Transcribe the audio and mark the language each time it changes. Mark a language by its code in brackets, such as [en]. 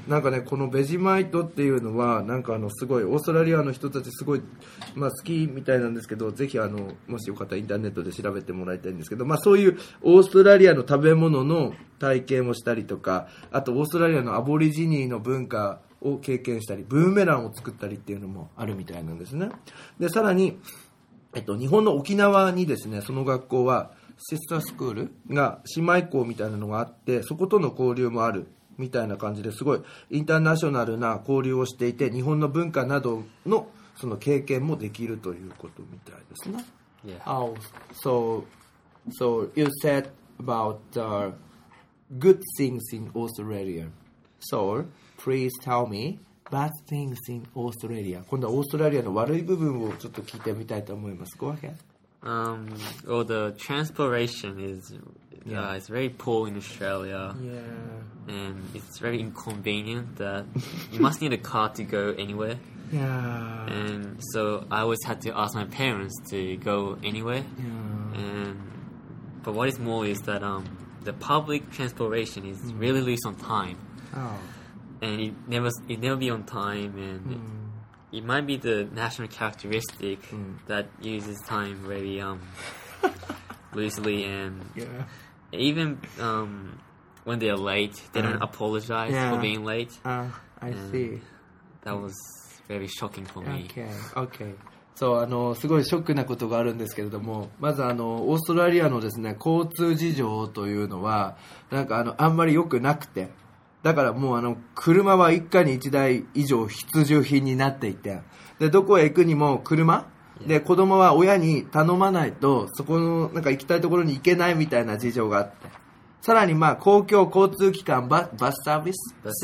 [ja] なんかね、このベジマイトっていうのは、なんかあのすごい、オーストラリアの人たちすごい、まあ、好きみたいなんですけど、ぜひあの、もしよかったらインターネットで調べてもらいたいんですけど、まあ、そういうオーストラリアの食べ物の体験をしたりとか、あとオーストラリアのアボリジニーの文化を経験したり、ブーメランを作ったりっていうのもあるみたいなんですね。で、さらに、日本の沖縄にですね、その学校は、シスタースクールが姉妹校みたいなのがあって、そことの交流もあるみたいな感じで、すごいインターナショナルな交流をしていて、日本の文化などのその経験もできるということみたいですね。 [en] Yeah. Oh, so you said about the good things in Australia. So, please tell me bad things in Australia. [ja] 今度はオーストラリアの悪い部分をちょっと聞いてみたいと思います。 [en] Go ahead. Well, the transportation is, yeah, it's very poor in Australia. Yeah. And it's very inconvenient that you must need a car to go anywhere. Yeah. And so I always had to ask my parents to go anywhere. Yeah. And but what is more is that the public transportation is really loose on time. Oh. And it never be on time, and it might be the national characteristic that uses time very loosely, and yeah. even when they are late, they don't apologize for being late. I see. That was very shocking for me. Okay. [ja] そう、すごいショックなことがあるんですけれども、まずオーストラリアのですね、交通事情というのはなんかあんまり良くなくて、だからもう車は一家に一台以上必需品になっていて、でどこへ行くにも車で、子供は親に頼まないとそこのなんか行きたいところに行けないみたいな事情があって、さらにまあ公共交通機関、バスサービス、